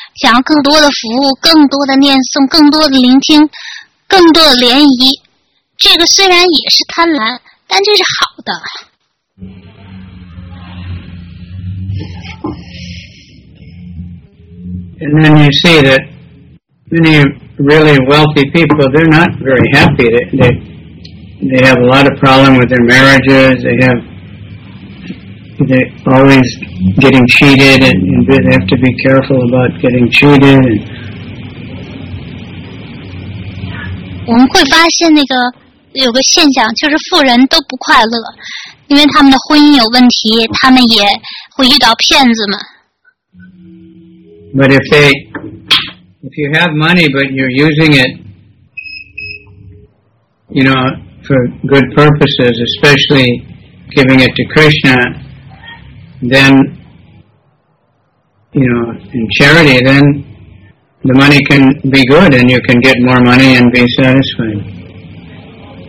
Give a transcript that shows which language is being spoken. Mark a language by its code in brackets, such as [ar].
[zh] 想要更多的服务，更多的念诵，更多的聆听，更多的联谊，这个虽然也是贪婪，但这是好的。 [en] And then you see that many really wealthy people, they're not very happy. They have a lot of problem with their marriages. They're always getting cheated, and they have to be careful about getting cheated. [zh] 我们会发现那个有个现象，就是富人都不快乐，因为他们的婚姻有问题，他们也会遇到骗子们。 [en] But if you have money, but you're using it, you know, for good purposes, especially giving it to Krishna. Then, you know, in charity, then the money can be good and you can get more money and be satisfied.